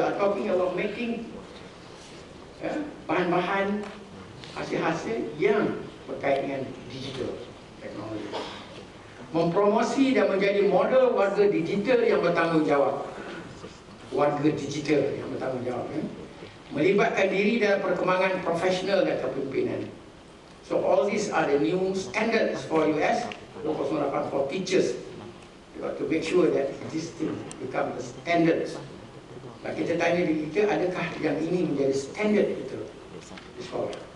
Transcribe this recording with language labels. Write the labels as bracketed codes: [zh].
[en] We are talking about making [ms] bahan-bahan hasil-hasil yang berkait dengan [en] digital technology. [ms] Mempromosi dan menjadi model warga digital yang bertanggungjawab. Warga digital yang bertanggungjawab. Melibatkan diri dalam perkembangan profesional dan kepimpinan. [en] So all these are the new standards for US 2.0 for teachers. You got to make sure that this thing become the standard. [ms] Nah, kita tanya diri kita, adakah yang ini menjadi standard kita di sekolah?